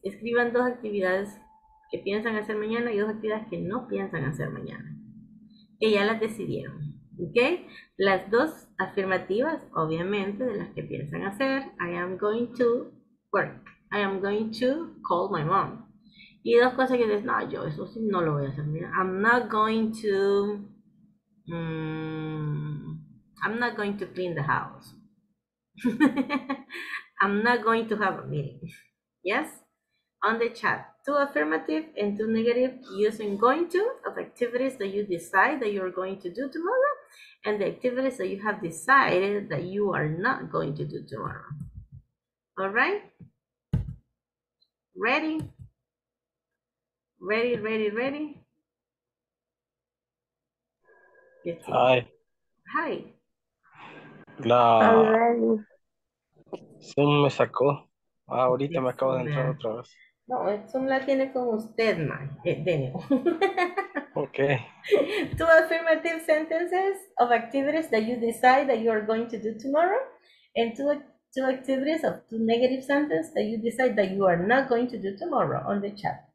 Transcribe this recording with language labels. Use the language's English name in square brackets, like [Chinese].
[Spanish] Escriban dos actividades que piensan hacer mañana y dos actividades que no piensan hacer mañana. Que ya las decidieron. ¿Ok? Las dos afirmativas, obviamente, de las que piensan hacer. [English] I am going to work. I am going to call my mom. [Spanish] Y dos cosas que dices, no, yo eso sí no lo voy a hacer. [English] Mira, I'm not going to clean the house. I'm not going to have a meeting. Yes? On the chat, two affirmative and two negative using going to of activities that you decide that you're going to do tomorrow and the activities that you have decided that you are not going to do tomorrow. All right? Ready? Ready, ready, ready. Good to see Hi. you. [Spanish] Hola. La Zoom me sacó. Ah, ahorita me acabo de entrar No, otra vez. Zoom la tiene con usted, Ma. De nuevo. [English] Okay. Two affirmative sentences of activities that you decide that you are going to do tomorrow, and two activities of two negative sentences that you decide that you are not going to do tomorrow on the chat.